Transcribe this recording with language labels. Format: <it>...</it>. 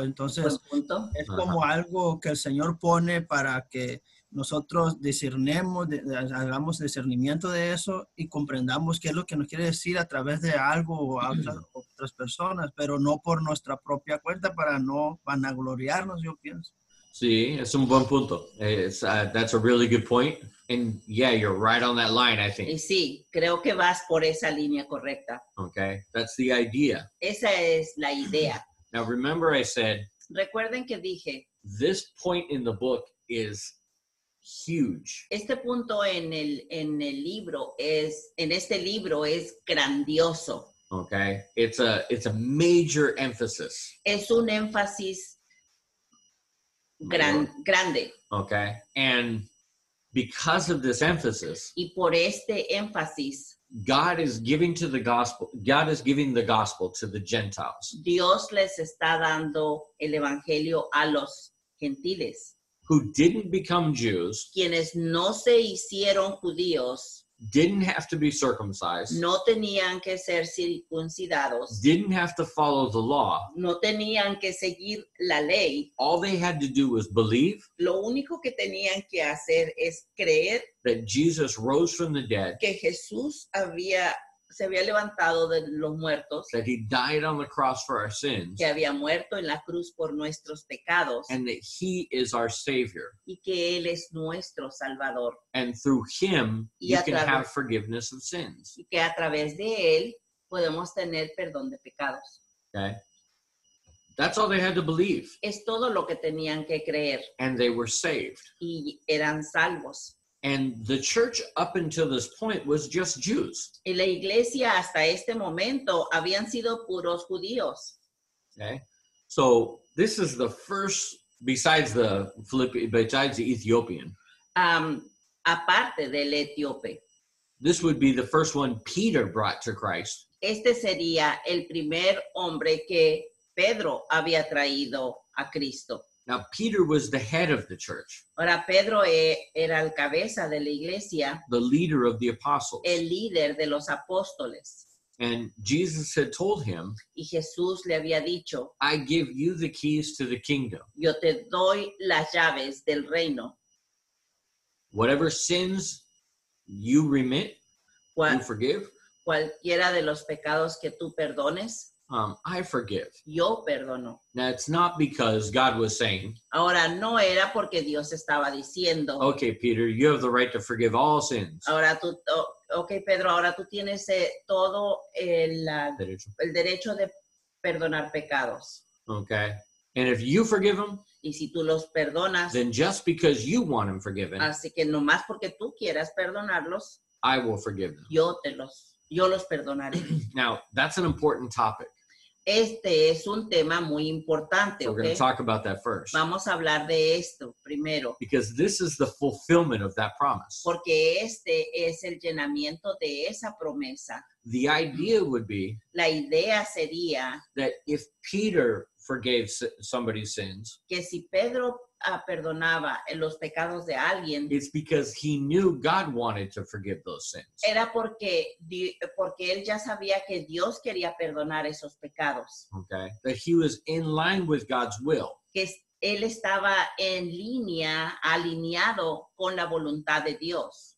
<es>Entonces, es como algo que el Señor pone para que nosotros discernemos, hagamos discernimiento de eso y comprendamos qué es lo que nos quiere decir a través de algo o a otras personas, pero no por nuestra propia cuenta, para no vanagloriarnos, yo pienso. Sí, es un buen punto.</es> <en>That's a really good point. And yeah, you're right on that line, I think.</en> <es>Y sí, creo que vas por esa línea correcta.</es> <en>Okay, that's the idea.</en> <es>Esa es la idea.</es> <en>Now remember I said,</en> <es>recuerden que dije,</es> <en>this point in the book is huge.</en> <es>Este punto en este libro es grandioso.</es> <en>Okay, it's a major emphasis.</en> <es>Es un énfasis grande.</es> <en>Okay, and because of this emphasis,</en> <es>y por este énfasis,</es> <en>God is giving the gospel to the Gentiles.</en> <es>Dios les está dando el evangelio a los gentiles.</es> <en>Who didn't become Jews,</en> <es>quienes no se hicieron judíos,</es> <en>didn't have to be circumcised,</en> <es>no tenían que ser circuncidados,</es> <en>didn't have to follow the law,</en> <es>no tenían que seguir la ley.</es> <en>All they had to do was believe,</en> <es>lo único que tenían que hacer es creer,</es> <en>that Jesus rose from the dead,</en> <es>que Jesús se había levantado de los muertos,</es> <en>that he died on the cross for our sins,</en> <es>que había muerto en la cruz por nuestros pecados,</es> <en>and that he is our savior,</en> <es>y que él es nuestro salvador,</es> <en>and through him you can have forgiveness of sins,</en> <es>y que a través de él podemos tener perdón de pecados.</es> <en>Okay, that's all they had to believe.</en> <es>Es todo lo que tenían que creer,</es> <en>and they were saved,</en> <es>y eran salvos.</es> <en>And the church up until this point was just Jews.</en> <es>Y la iglesia hasta este momento habían sido puros judíos.</es> <en>Okay. So this is the first, besides the Ethiopian.</en> <es>Aparte del etíope.</es> <en>This would be the first one Peter brought to Christ.</en> <es>Este sería el primer hombre que Pedro había traído a Cristo.</es> <en>Now Peter was the head of the church.</en> <es>Ahora Pedro era el cabeza de la iglesia.</es> <en>The leader of the apostles.</en> <es>El líder de los apóstoles.</es> <en>And Jesus had told him,</en> <es>y Jesús le había dicho,</es> <en>I give you the keys to the kingdom.</en> <es>Yo te doy las llaves del reino.</es> <en>Whatever sins you remit, you forgive.</en> <es>Cualquiera de los pecados que tú perdones.</es> <en>I forgive.</en> <es>Yo perdono.</es> <en>Now it's not because God was saying.</en> <es>Ahora no era porque Dios estaba diciendo.</es> <en>Okay, Peter, you have the right to forgive all sins.</en> <es>Ahora tú, okay, Pedro, ahora tú tienes todo el derecho de perdonar pecados.</es> <en>Okay, and if you forgive them,</en> <es>y si tú los perdonas,</es> <en>then just because you want them forgiven,</en> <es>así que nomás porque tú quieras perdonarlos,</es> <en>I will forgive them.</en> <es>Yo los perdonaré.</es> <en>Now, that's an important topic.</en> <es>Este es un tema muy importante,</es> <en>so We're going to talk about that first.</en> <es>Vamos a hablar de esto primero.</es> <en>Because this is the fulfillment of that promise.</en> <es>Porque este es el llenamiento de esa promesa.</es> <en>The idea would be,</en> <es>la idea sería,</es> <en>that if Peter forgave somebody's sins,</en> <es>que si Pedro perdonaba los pecados de alguien,</es> <en>it's because he knew God wanted to forgive those sins.</en> <es>Era porque él ya sabía que Dios quería perdonar esos pecados.</es> <en>Okay. That he was in line with God's will.</en> <es>Que él estaba en línea, alineado con la voluntad de Dios.</es>